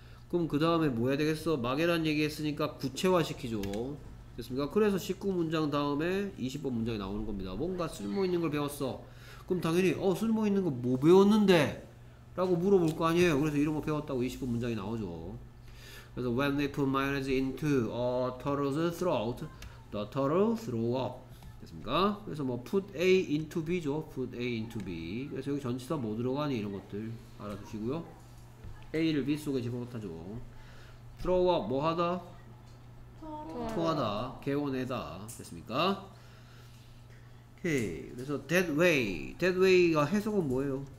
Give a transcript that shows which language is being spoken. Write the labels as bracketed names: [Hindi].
[Korean] 그럼 그 다음에 뭐 해야 되겠어? 막연한 얘기 했으니까 구체화 시키죠. 됐습니까? 그래서 19문장 다음에 20번 문장이 나오는 겁니다. 뭔가 쓸모 있는 걸 배웠어. 그럼 당연히 쓸모 있는 거 뭐 배웠는데? 라고 물어볼 거 아니에요. 그래서 이런 거 배웠다고 20번 문장이 나오죠. [English] 그래서 When they put mayonnaise into a turtle's throat, the turtle throw up. [Korean] 됐습니까? 그래서 뭐 [English] put A into B죠. Put A into B. [Korean] 그래서 여기 전치사 뭐 들어가니 이런 것들 알아두시고요. A를 B 속에 집어넣다죠. Throw up 뭐 하다? 토하다. 개원해다. 됐습니까? 그래서 that way, that way가 해석은 뭐예요?